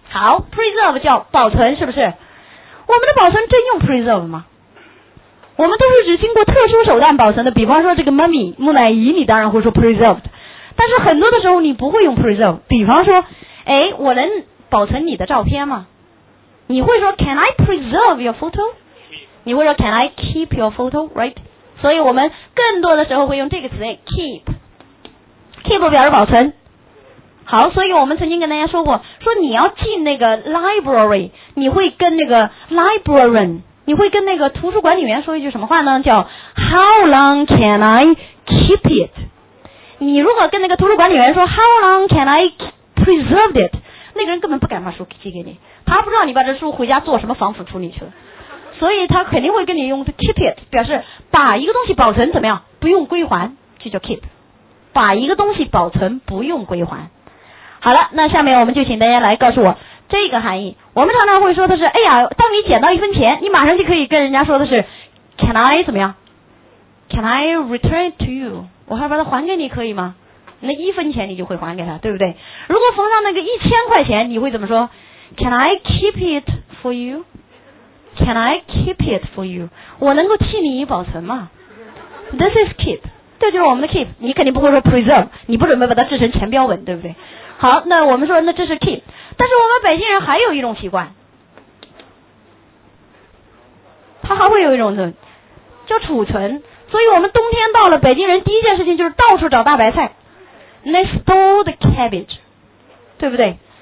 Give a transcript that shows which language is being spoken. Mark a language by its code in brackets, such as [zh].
[zh] 好 ，preserve 叫保存，是不是？我们的保存真用 preserve 吗？我们都是指经过特殊手段保存的，比方说这个 mummy 木乃伊，你当然会说 preserved， 但是很多的时候你不会用 preserve。比方说，哎，我能保存你的照片吗？你会说 [en] can I preserve your photo？ 你会说 can I keep your photo？ Right？ [zh] 所以我们更多的时候会用这个词 keep。 keep 表示保存。好，所以我们曾经跟大家说过，说你要进那个 library， 你会跟那个 librarian， 你会跟那个图书管理员说一句什么话呢？叫 [en] How long can I keep it？ [zh] 你如果跟那个图书管理员说 [en] How long can I preserve it？ [zh] 那个人根本不敢把书寄给你，他不知道你把这书回家做什么防腐处理去了，所以他肯定会跟你用 keep it， 表示把一个东西保存怎么样，不用归还，就叫 keep。把一个东西保存不用归还。好了，那下面我们就请大家来告诉我这个含义。我们常常会说的是，哎呀，当你捡到一分钱，你马上就可以跟人家说的是 Can I 怎么样， [en] Can I return to you， [zh] 我还把它还给你可以吗？那一分钱你就会还给他，对不对？如果逢上那个一千块钱，你会怎么说？ [en] Can I keep it for you， Can I keep it for you， [zh] 我能够替你保存吗？ [en] This is keep， [zh] 这就是我们的 keep， 你肯定不会说 preserve， 你不准备把它制成钱标本，对不对？好，那我们说那这是 keep， 但是我们北京人还有一种习惯，他还会有一种叫储存。所以我们冬天到了，北京人第一件事情就是到处找大白菜， [en] they store the cabbage， [zh] 对不对？